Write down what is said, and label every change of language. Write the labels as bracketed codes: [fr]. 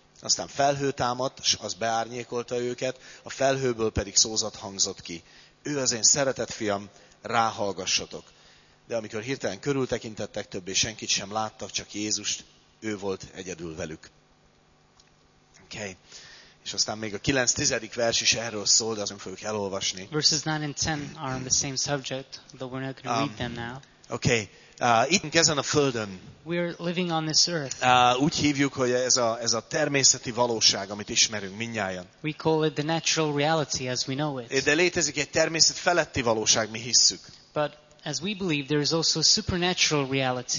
[hu] Aztán felhő támadt, s az beárnyékolta őket, a felhőből pedig szózat hangzott ki. Ő az én szeretett fiam, ráhallgassatok. De amikor hirtelen körültekintettek, többé senkit sem láttak, csak Jézust, ő volt egyedül velük. Okay. És aztán még a 9-10. Vers is erről szól, de azt nem fogjuk elolvasni. [en] Verses 9 and 10 are on the same subject, though we're not going to read them now. [hu] Okay. Itt ezen a földön. [en] We are living on this earth. [hu] Úgy hívjuk, hogy ez a természeti valóság, amit ismerünk mindnyájan. [en] We call it the natural reality as we know it. [hu] De létezik egy természet feletti valóság, mi hisszük. [en] But as we believe, there is also a supernatural reality.